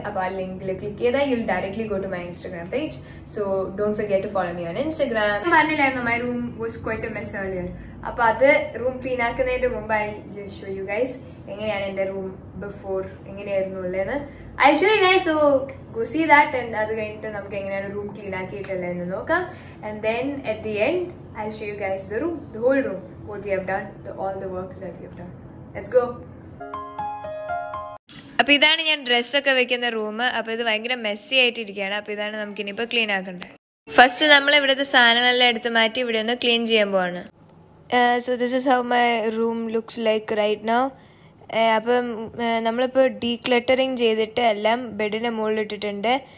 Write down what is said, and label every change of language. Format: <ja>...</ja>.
<ml>അപ്പോൾ ആ ലിങ്കിൽ ക്ലിക്ക് ചെയ്താൽ</ml> <en>You directly go to my Instagram page. So don't forget to follow me on Instagram.</en> <ml>പറഞ്ഞില്ലായിരുന്നു</ml> <en>My room was quite a mess earlier.</en> <ml>അപ്പോൾ അത് room clean ആക്കുന്നതിൻ്റെ മുമ്പ്</ml> <en>I show you guys</en> <ml>എങ്ങനെയാണ് എൻ്റെ റൂം ബിഫോർ എങ്ങനെയായിരുന്നു ഉള്ളതെന്ന് I show you guys.</ml> <en>so go see that and</en> <ml>അത് കഴിഞ്ഞിട്ട് നമുക്ക് എങ്ങനെയാണ് റൂം ക്ലീൻ ആക്കിയിട്ടുള്ളതെന്ന് നോക്കാം.</ml> <en>And then at the end I'll show you guys the room, the whole room, what we have done, all the work that we have done. Let's go!</en> <ml>അപ്പോൾ ഇതാണ് ഞാൻ ഡ്രസ്സൊക്കെ വെക്കുന്ന റൂം. അപ്പോൾ ഇത് ഭയങ്കര മെസ്സി ആയിട്ടിരിക്കുകയാണ്. അപ്പോൾ ഇതാണ് നമുക്കിനിയിപ്പോൾ ക്ലീൻ ആക്കേണ്ടത്. ഫസ്റ്റ് നമ്മൾ ഇവിടുത്തെ സാധനങ്ങളെല്ലാം എടുത്ത് മാറ്റി ഇവിടെ ഒന്ന് ക്ലീൻ ചെയ്യാൻ പോവാണ്.</ml> <en>So this is how my room looks like right now.</en> <ml>അപ്പം നമ്മളിപ്പോൾ ഡീക്ലട്ടറിങ് ചെയ്തിട്ട് എല്ലാം ബെഡിൻ്റെ മുകളിൽ ഇട്ടിട്ടുണ്ട്.</ml>